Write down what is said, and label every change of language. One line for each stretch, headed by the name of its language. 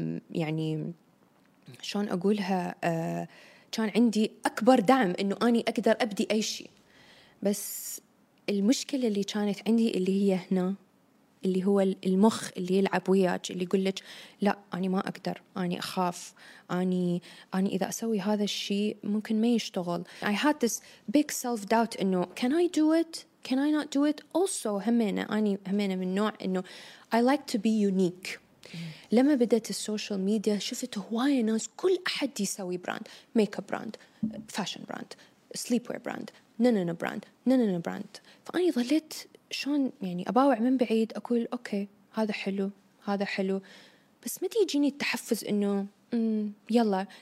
Arabic: يعني شلون أقولها, كان عندي أكبر دعم إنه أنا أقدر أبدي أي شيء. بس المشكلة اللي كانت عندي اللي هي هنا اللي هو المخ اللي يلعب وياك اللي يقول لك لا أنا ما أقدر, أنا أخاف, أنا إذا أسوي هذا الشيء ممكن ما يشتغل.
English: I had this big self doubt
Arabic: إنه
English: can I do it, can I not do it. also
Arabic: همينة أنا همينة من نوع إنه
English: I like to be unique.
Arabic: لما بدأت السوشيال ميديا شفت هواي ناس كل أحد يسوي براند, ميك اب براند, فاشن براند, سليب وير براند, نانانا براند, نانانا براند. فأني ظلت شون يعني أباوع من بعيد أقول أوكي هذا حلو هذا حلو, بس متى يجيني التحفز إنه يلا.